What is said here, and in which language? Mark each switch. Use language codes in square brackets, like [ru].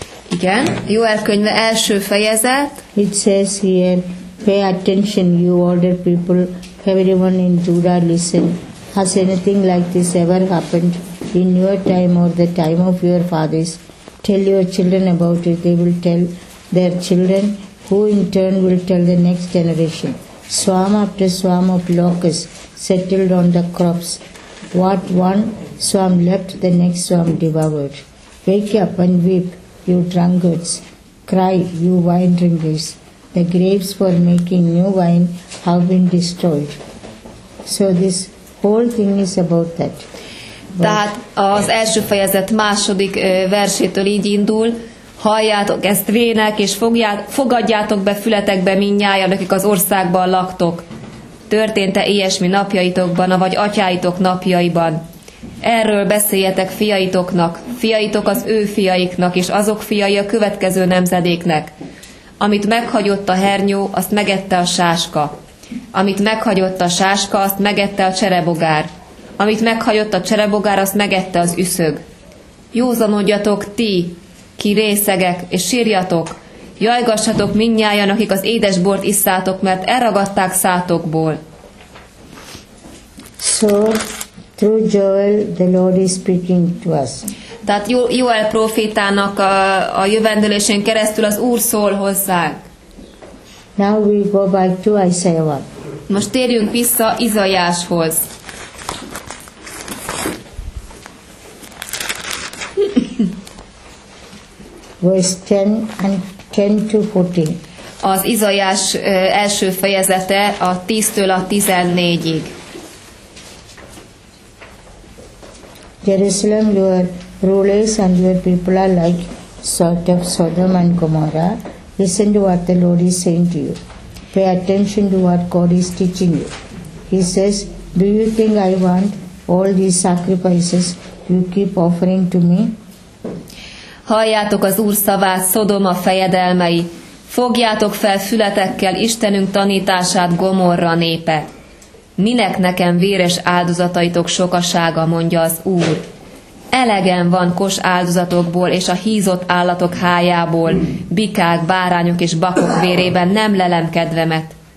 [hu] Igen, Joel könyve első fejezet. [en] It says here, pay attention, you older people, everyone in Judah, listen. Has anything like this ever happened in your time or the time of your fathers? Tell your children about it. They will tell their children, who in turn will tell the next generation. Swarm after swarm of locusts settled on the crops. What one swarm left, the next swarm devoured. Wake up and weep, you drunkards. Cry, you wine drinkers. The grapes for making new wine have been destroyed. So this whole thing is about that. [hu] Tehát az első fejezet második versétől így indul. Halljátok ezt vének, és fogadjátok be fületekbe mindnyájan, akik az országban laktok. Történt-e ilyesmi napjaitokban, avagy atyáitok napjaiban? Erről beszéljetek fiaitoknak, fiaitok az ő fiaiknak, és azok fiai a következő nemzedéknek. Amit meghagyott a hernyó, azt megette a sáska. Amit meghagyott a sáska, azt megette a cserebogár. Amit meghagyott a cserebogár, azt megette az üszög. Józanodjatok ti, ki részegek, és sírjatok. Jajgassatok mindnyájan, akik az édesbort isszátok, mert elragadták szátokból. [en] So, through Joel, the Lord is speaking to us. [hu] Tehát Joel profétának a jövendőlésén keresztül az Úr szól hozzánk. [en] Now we go back to Isaiah 1. [hu] Most térjünk vissza Izajáshoz. [en] Verse 10 and 10-14. [hu] Az Izajás első fejezete a 10-től a 14-ig. [en] Jerusalem, your rulers and your people are like sort of Sodom and Gomorrah. Listen to what the Lord is saying to you. Pay attention to what God is teaching you. He says, do you think I want all these sacrifices you keep offering to me? [hu] Halljátok az Úr szavát, Szodoma fejedelmei, fogjátok fel fületekkel Istenünk tanítását, Gomorra népe. Minek nekem véres áldozataitok sokasága, mondja az Úr. Elegen van kos áldozatokból és a hízott állatok hájából, bikák, bárányok és bakok vérében nem lelem kedvemet.